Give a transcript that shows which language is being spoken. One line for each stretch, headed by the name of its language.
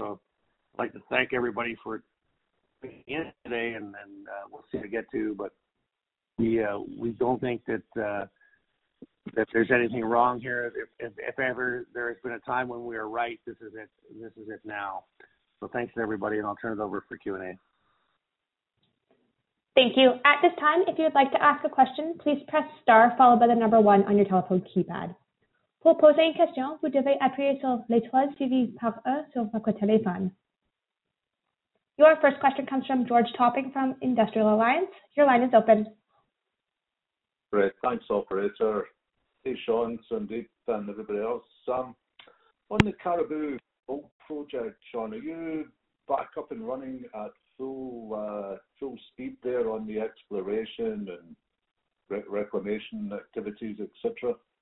English: So I'd like to thank everybody for being in today, and we'll see what we get to, but we don't think that if there's anything wrong here, if ever there has been a time when we are right, this is it. This is it now. So thanks to everybody, and I'll turn it over for Q&A. Thank you. At this time, if you would like to ask a question, please press star followed by the number one on your telephone keypad.
French: Pour poser une question, vous devez appuyer sur l'étoile suivie par un sur votre téléphone.
English: Your first question comes from George Topping from Industrial Alliance. Your line is open. Great. Thanks, operator. Hey, Sean, Sandeep, and everybody else. On the Caribou Gold Project, Sean, are you back up and running at full speed there on the exploration and reclamation activities, et cetera?